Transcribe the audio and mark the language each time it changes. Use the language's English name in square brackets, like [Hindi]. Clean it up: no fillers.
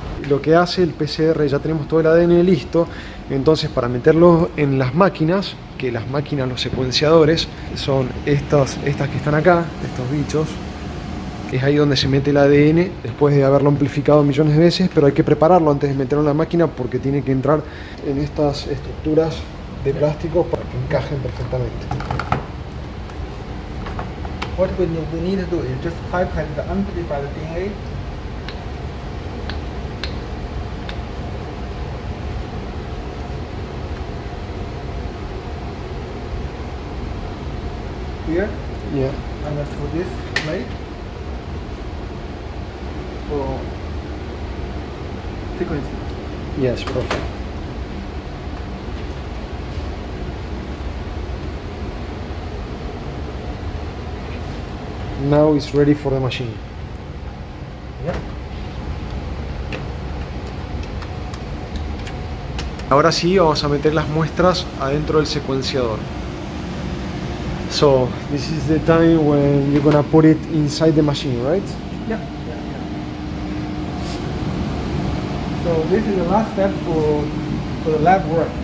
[Spanish] Lo que hace el PCR, ya tenemos todo el ADN listo, entonces para meterlo en las máquinas, que las máquinas, los secuenciadores, son estas que están acá, estos bichos, es ahí donde se mete el ADN después de haberlo amplificado millones de veces, pero hay que prepararlo antes de meterlo en la máquina porque tiene que entrar en estas estructuras de plástico para que encajen perfectamente. [English] What we need to do is just pipette the amplified DNA. Here? Yeah. And for this plate. For sequencing. Yes, perfect. Now it's ready for the machine. Yeah. [Spanish] Ahora sí, vamos a meter las muestras adentro del secuenciador. [English] So, this is the time when you're gonna put it inside the machine, right? Yeah. So, this is the last step for the lab work.